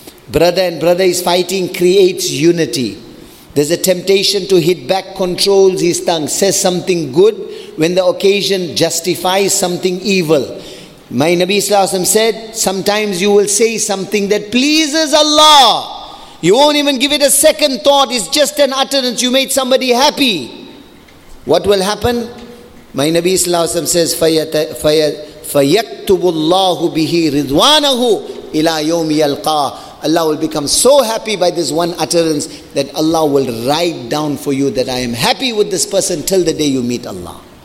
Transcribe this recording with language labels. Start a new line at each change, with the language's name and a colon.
English: Brother and brother is fighting, creates unity. There's a temptation to hit back, controls his tongue, says something good when the occasion justifies something evil. My Nabi sallallahu alaihi wasallam said, sometimes you will say something that pleases Allah. You won't even give it a second thought. It's just an utterance. You made somebody happy. What will happen? My Nabi sallallahu alaihi wasallam says,
Arabic: فَيَكْتُبُ اللَّهُ بِهِ رِضْوَانَهُ إِلَىٰ يَوْمِ يَلْقَىٰ.
English: Allah will become so happy by this one utterance that Allah will write down for you that I am happy with this person till the day you meet Allah.